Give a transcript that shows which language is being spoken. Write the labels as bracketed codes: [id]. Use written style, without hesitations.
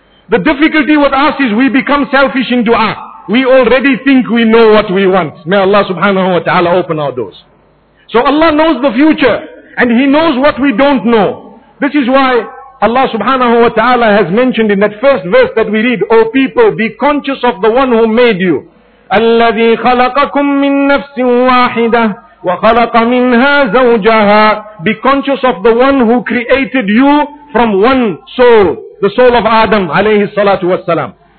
[en] The difficulty with us is we become selfish in dua. We already think we know what we want. May Allah subhanahu wa ta'ala open our doors. So Allah knows the future, and He knows what we don't know. This is why Allah subhanahu wa ta'ala has mentioned in that first verse that we read, O people, be conscious of the one who made you. [ar] الذي خلقكم من نفس واحدة وخلق منها زوجها. [en] Be conscious of the one who created you from one soul, the soul of Adam [ar] عليه الصلاة والسلام.